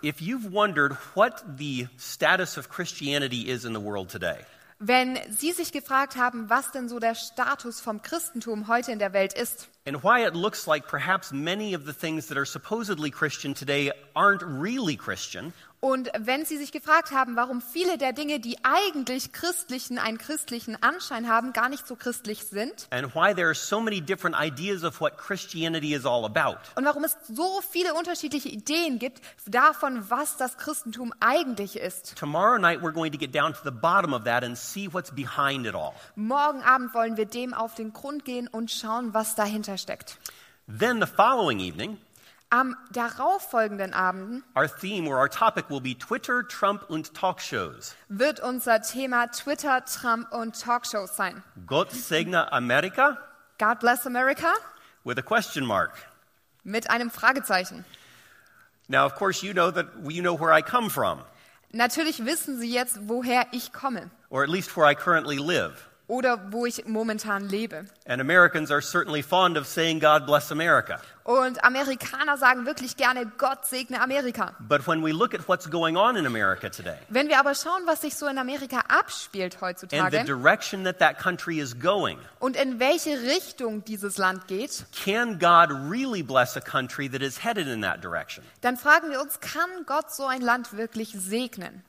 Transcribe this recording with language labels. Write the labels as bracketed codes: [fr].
[en] If you've wondered what the status of Christianity is in the world today. [de] Wenn Sie sich gefragt haben, was denn so der Status vom Christentum heute in der Welt ist. [en] And why it looks like perhaps many of the things that are supposedly Christian today aren't really Christian. [de] Und wenn Sie sich gefragt haben, warum viele der Dinge, die eigentlich einen christlichen Anschein haben, gar nicht so christlich sind. [en] And why there are so many different ideas of what Christianity is all about. [de] Und warum es so viele unterschiedliche Ideen gibt davon, was das Christentum eigentlich ist. [en] Tomorrow night we're going to get down to the bottom of that and see what's behind it all. [de] Morgen Abend wollen wir dem auf den Grund gehen und schauen, was dahinter steckt. [en] Then the following evening. [de] Am darauffolgenden Abend [en] our theme or our topic will be Twitter, Trump und Talkshows. [de] Wird unser Thema Twitter, Trump und Talkshows sein. Gott segne Amerika. [en] God bless America. With a question mark. [de] Mit einem Fragezeichen. [en] Now of course you know where I come from. [de] Natürlich wissen Sie jetzt, woher ich komme. [en] Or at least where I currently live. [de] Oder wo ich momentan lebe. [en] And Americans are certainly fond of saying God bless America. [de] Und Amerikaner sagen wirklich gerne Gott segne Amerika. [en] But when we look at what's going on in America today. [de] Wenn wir aber schauen, was sich so in Amerika abspielt heutzutage. [en] And the direction that that country is going. [de] Und in welche Richtung dieses Land geht. [en] Can God really bless a country that is headed in that direction? [de] Dann fragen wir uns, kann Gott so ein Land wirklich segnen?